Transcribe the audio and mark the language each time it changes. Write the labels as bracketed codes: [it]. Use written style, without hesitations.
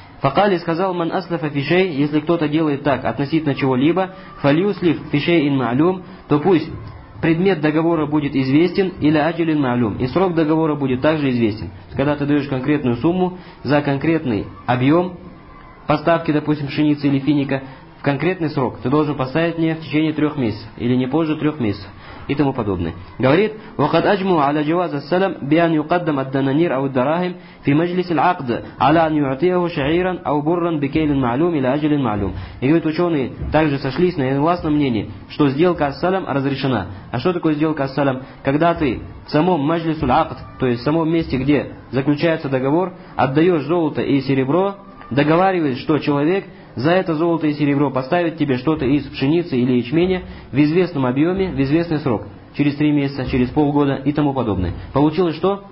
[ru] Факали сказал, [ar] ман аслафа фишей, [ru] если кто-то делает так относительно чего-либо, [ar] фальюслиф фишей ин маалюм, [ru] то пусть предмет договора будет известен, или [ar] аджил ин маалюм, [ru] и срок договора будет также известен. Когда ты даешь конкретную сумму за конкретный объем поставки, допустим, пшеницы или финика, в конкретный срок ты должен поставить мне в течение 3 месяцев, или не позже 3 месяцев. И тому подобное. Говорит, [ar] وقد أجمع على جواز السلم بأن يقدم الدنانير أو الدراهم في مجلس العقد على أن يعطيه شعيرا أو برا بكيل معلوم إلى أجل معلوم. [ru] И говорит, ученые также сошлись на единогласном мнении, что сделка с салем разрешена. А что такое сделка с салем? Когда ты в самом мажлису аль-акд, то есть в самом месте, где заключается договор, отдаешь золото и серебро, договариваясь, что человек за это золото и серебро поставит тебе что-то из пшеницы или ячменя в известном объеме, в известный срок, через 3 месяца, через полгода и тому подобное. Получилось что?